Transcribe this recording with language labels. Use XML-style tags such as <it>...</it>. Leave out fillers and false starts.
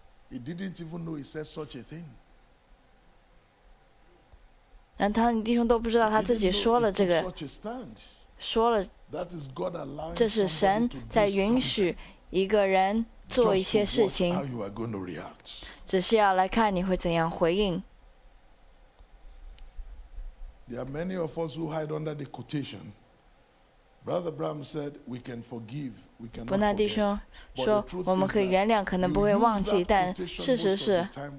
<en>He didn't even know he said such a thing.</en> <zh>然后他弟兄都不知道他自己说了这个，说了，这是神在允许一个人做一些事情，只是要来看你会怎样回应。</zh> <en>There are many of us who hide under the quotation. Brother Bram said, "We can forgive, we cannot forget."</en> <zh>伯纳弟兄说，我们可以原谅，可能不会忘记，但事实是。</zh>